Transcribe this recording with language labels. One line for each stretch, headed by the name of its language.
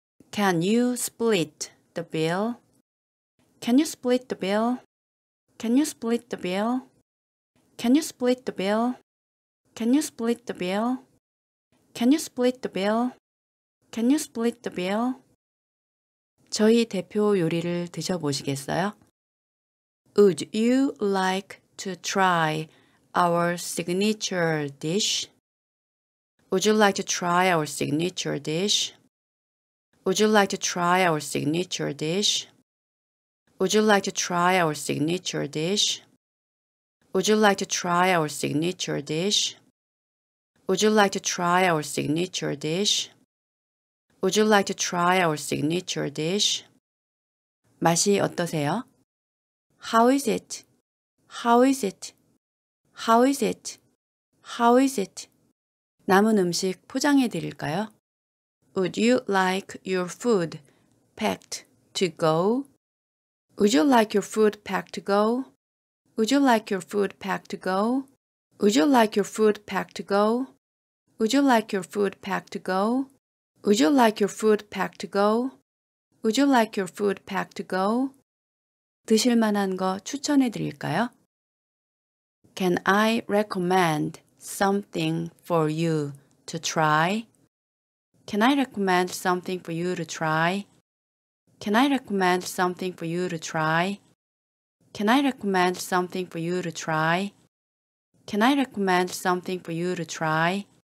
English: Can you split the bill? Can you split the bill? Can you split the bill? Can you split the bill? Can you split the bill? Can you split the bill? Can you split the bill?
Korean: 저희 대표 요리를 드셔보시겠어요?
English: Would you like to try our signature dish? Would you like to try our signature dish? Would you like to try our signature dish? Would you like to try our signature dish? Would you like to try our signature dish? Would you like to try our signature dish? Would you like to try our signature dish?
Korean: 맛이 어떠세요?
English: How is it? How is it? How is it? How is it?
Korean: 남은 음식 포장해 드릴까요?
English: Would you like your food packed to go? Would you like your food packed to go? Would you like your food packed to go? Would you like your food packed to go? Would you like your food packed to go? Would you like your food packed to go? Would you like your food packed to go?
Korean: 드실 만한 거 추천해 드릴까요?
English: Can I recommend something for you to try? Can I recommend something for you to try? Can I recommend something for you to try? Can I recommend something for you to try? Can I recommend something for you to try?